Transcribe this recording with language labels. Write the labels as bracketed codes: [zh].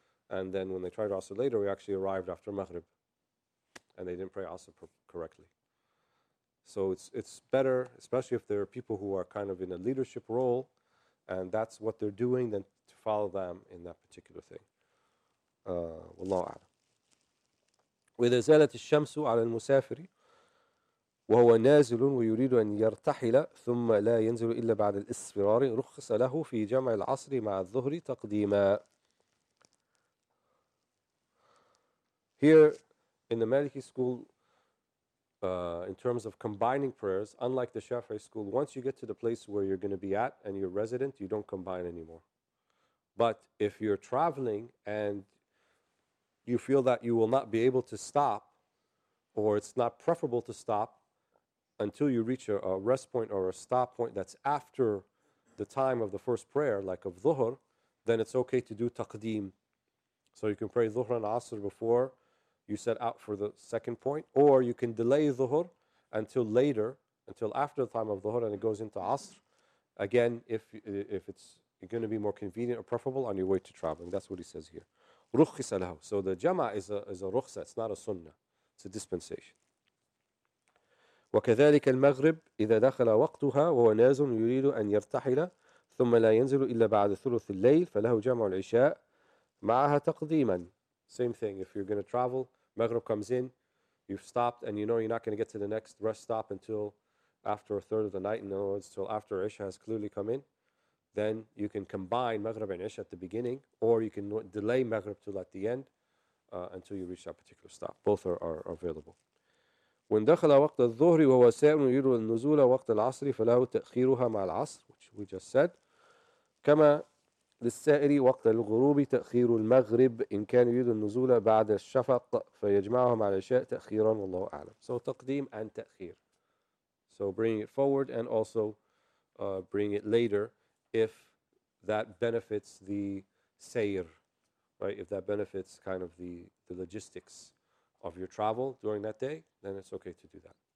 [en] And then when they tried asr later, we actually arrived after maghrib, and they didn't pray asr correctly. So it's better, especially if there are people who are kind of in a leadership role, and that's what they're doing, then to follow them in that particular thing. [ar] Wallahu a'lam. وإذا زالت الشمس على المسافر وهو نازل ويريد أن يرتحل ثم لا ينزل إلا بعد الإصفرار رخص له في جمع العصر مع الظهر تقديما. [en] Here in the Maliki school, in terms of combining prayers, unlike the Shafi'i school, once you get to the place where you're going to be at and you're resident, you don't combine anymore. But if you're traveling and you feel that you will not be able to stop, or it's not preferable to stop until you reach a rest point or a stop point that's after the time of the first prayer, like of dhuhr, then it's okay to do taqdeem. So you can pray dhuhr and asr before you set out for the second point, or you can delay dhuhr until later, until after the time of dhuhr, and it goes into asr. Again, if it's going to be more convenient or preferable on your way to traveling. That's what he says here. So the jama is a rukhsa, it's not a sunnah, it's a dispensation. [ar] وكذلك المغرب إذا دخل وقتها وهو نازل يريد أن يرتحل ثم لا ينزل إلا بعد ثلث الليل فله جمع العشاء معها تقديما. [en] Same thing, if you're going to travel, Maghrib comes in, you've stopped and you know you're not going to get to the next rest stop until after a third of the night, in other words, until after Isha has clearly come in. Then you can combine Maghrib and Isha at the beginning, or you can delay Maghrib till at the end until you reach that particular stop. Both are available. [ar] When دخل وقت الظهر وهو سائر يريد النزول وقت العصر فله تأخيرها مع العصر, [en] which we just said. [ar] كما للسائر وقت الغروب تأخير المغرب إن كان يريد النزول بعد الشفق فيجمعها مع العشاء تأخيرا والله أعلم. [en] So تقديم and تأخير. So bring it forward and also bring it later. If that benefits the sayr, right? If that benefits kind of the logistics of your travel during that day, then it's okay to do that.